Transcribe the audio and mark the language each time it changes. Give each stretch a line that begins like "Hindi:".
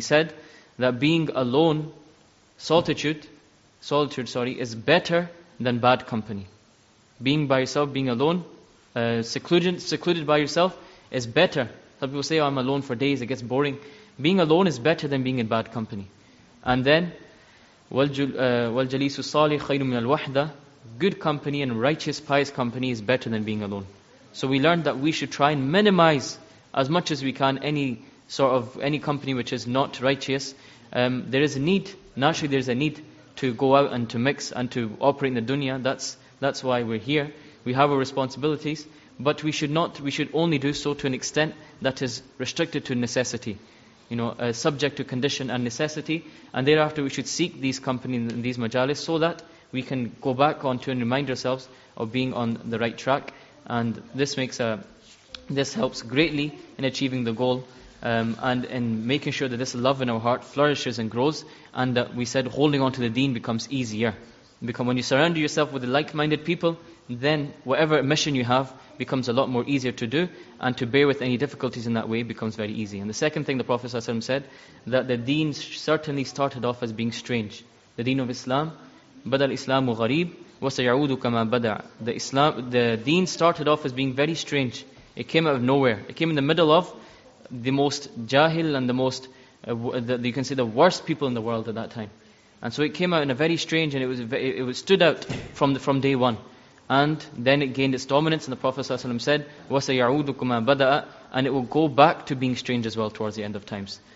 English: He said that being alone, solitude, is better than bad company. Being by yourself, being alone, secluded by yourself is better. Some people say, "Oh, I'm alone for days, it gets boring." Being alone is better than being in bad company. And then,
Arabic: وَالْجَلِيسُ الصَّالِحِ خَيْرٌ مِنَ الْوَحْدَةِ.
English: Good company and righteous, pious company is better than being alone. So we learned that we should try and minimize as much as we can any company which is not righteous. There is a need, naturally there is a need to go out and to mix and to operate in the dunya. That's why we're here. We have our responsibilities, but we should not. We should only do so to an extent that is restricted to necessity. You know, subject to condition and necessity. And thereafter, we should seek these company and these majalis so that we can go back on to and remind ourselves of being on the right track. And this makes a, this helps greatly in achieving the goal and in making sure that this love in our heart flourishes and grows, and that we said holding on to the deen becomes easier. Because when you surrender yourself with the like-minded people, then whatever mission you have becomes a lot more easier to do, and to bear with any difficulties in that way becomes very easy. And the second thing the Prophet ﷺ said, that the deen certainly started off as being strange. The deen of Islam,
Arabic: بَدَى الْإِسْلَامُ غَرِيبٌ وَسَيَعُودُ كَمَا بَدَى.
English: The deen started off as being very strange. It came out of nowhere. It came in the middle of the most jahil and the most, you can say the worst people in the world at that time. And so it came out in a very strange, and it stood out from day one. And then it gained its dominance, and the Prophet ﷺ said,
Arabic: وَسَيَعُودُ كُمَا بَدَأَ,
English: and it will go back to being strange as well towards the end of times.